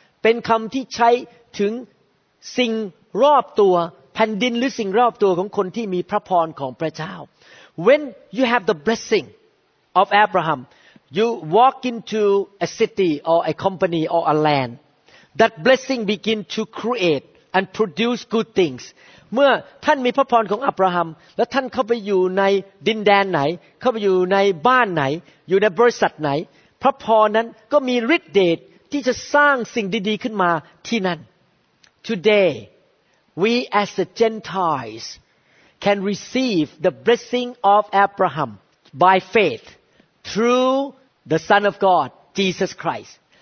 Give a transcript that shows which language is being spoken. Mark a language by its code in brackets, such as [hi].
[th] เป็นคำที่ใช้ถึงสิ่งรอบตัวแผ่นดินหรือสิ่งรอบตัวของคนที่มีพระพรของพระเจ้า [en] When you have the blessing of Abraham, you walk into a city or a company or a land. That blessing begin to create and produce good things. [th] เมื่อท่านมีพระพรของอับราฮัมแล้วท่านเข้าไปอยู่ในดินแดนไหนเข้าไปอยู่ในบ้านไหนอยู่ในบริษัทไหนพระพรนั้นก็มีฤทธิ์เดชที่จะสร้างสิ่งดีๆขึ้นมาที่นั่น [en] TodayWe as the Gentiles can receive the blessing of Abraham by faith through the Son of God, Jesus Christ.